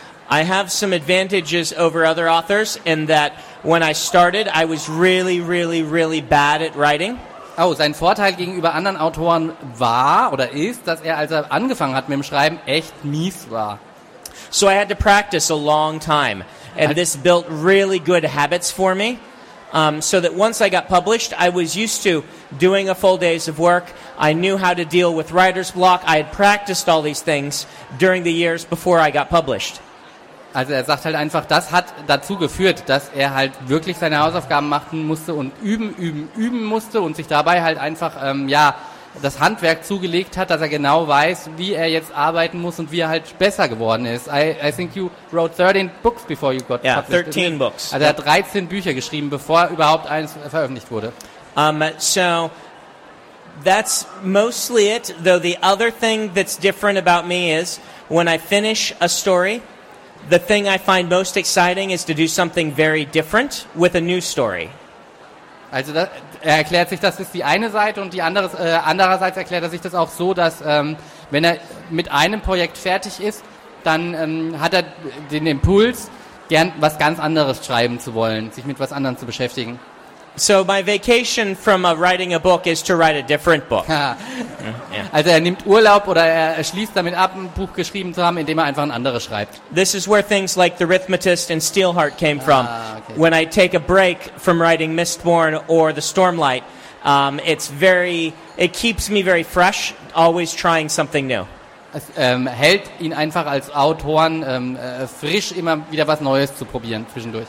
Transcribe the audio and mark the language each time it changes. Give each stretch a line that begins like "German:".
English: I have some advantages over other authors in that when I started, I was really, really, really bad at writing.
German: Oh, sein Vorteil gegenüber anderen Autoren war oder ist, dass er, als er angefangen hat mit dem Schreiben, echt mies war.
English: So I had to practice a long time. And this built really good habits for me. So that once I got published, I was used to doing a full days of work. I knew how to deal with writer's block. I had practiced all these things during the years before I got published.
German: Also er sagt halt einfach, das hat dazu geführt, dass er halt wirklich seine Hausaufgaben machen musste und üben musste und sich dabei halt einfach das Handwerk zugelegt hat, dass er genau weiß, wie er jetzt arbeiten muss und wie er halt besser geworden ist.
English: I think you wrote 13 books before you got published. 13 books.
German: Also er hat 13 Bücher geschrieben, bevor überhaupt eins veröffentlicht wurde.
English: So that's mostly it, though the other thing that's different about me is when I finish a story, The thing I find most exciting is to do something very different with a new story.
German: Also das, er erklärt sich, das ist die eine Seite, und die andere, andererseits erklärt er sich das auch so, dass wenn er mit einem Projekt fertig ist, dann hat er den Impuls, gern was ganz anderes schreiben zu wollen, sich mit was anderem zu beschäftigen.
English: So my vacation from writing a book is to write a different book.
German: Also er nimmt Urlaub oder er schließt damit ab, ein Buch geschrieben zu haben, indem er einfach ein anderes schreibt.
English: This is where things like The Rhythmatist and Steelheart came from. Okay. When I take a break from writing Mistborn or The Stormlight, it keeps me very fresh, always trying something new.
German: Es hält ihn einfach als Autoren frisch, immer wieder was Neues zu probieren zwischendurch.